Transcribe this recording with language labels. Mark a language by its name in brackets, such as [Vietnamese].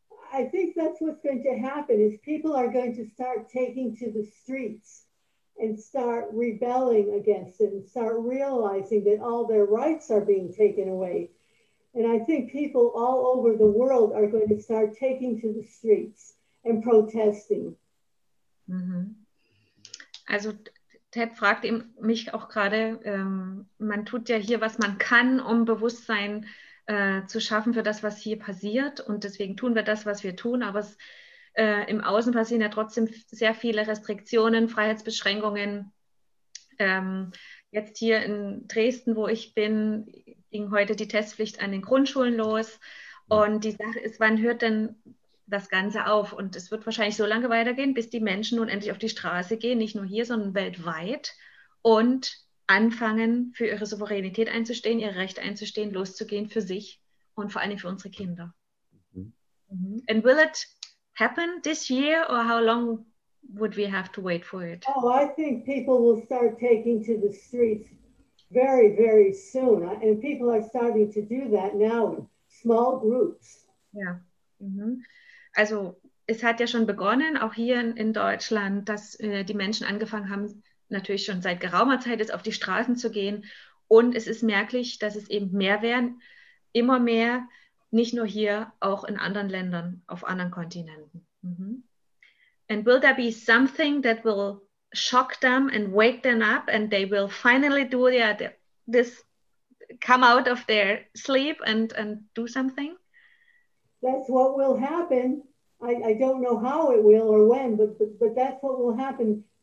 [English] I think that's what's going to happen is people are going to start taking to the streets and start rebelling against it and start realizing that all their rights are being taken away. And I think people all over the world are going to start taking to the streets and protesting. Mhm. [German] Also Ted fragt mich auch gerade, man tut ja hier, was man kann, um Bewusstsein zu schaffen für das, was hier passiert. Und deswegen tun wir das, was wir tun. Aber es, im Außen passieren ja trotzdem sehr viele Restriktionen, Freiheitsbeschränkungen. Jetzt hier in Dresden, wo ich bin, ging heute die Testpflicht an den Grundschulen los. Und die Sache ist, wann hört denn das Ganze auf? Und es wird wahrscheinlich so lange weitergehen, bis die Menschen nun endlich auf die Straße gehen, nicht nur hier, sondern weltweit, und anfangen, für ihre Souveränität einzustehen, ihr Recht einzustehen, loszugehen für sich und vor allem für unsere Kinder. [English] And will it happen this year, or how long would we have to wait for it? Oh, I think people will start taking to the streets very, very soon. And people are starting to do that now in small groups. [German] Ja, Also es hat ja schon begonnen, auch hier in Deutschland, dass die Menschen angefangen haben, natürlich schon seit geraumer Zeit jetzt auf die Straßen zu gehen. Und es ist merklich, dass es eben mehr werden, immer mehr, nicht nur hier, auch in anderen Ländern, auf anderen Kontinenten. [English] And will there be something that will shock them and wake them up and they will finally do this, come out of their sleep and do something? That's what will happen. I don't know how it will or when, but that's what will happen.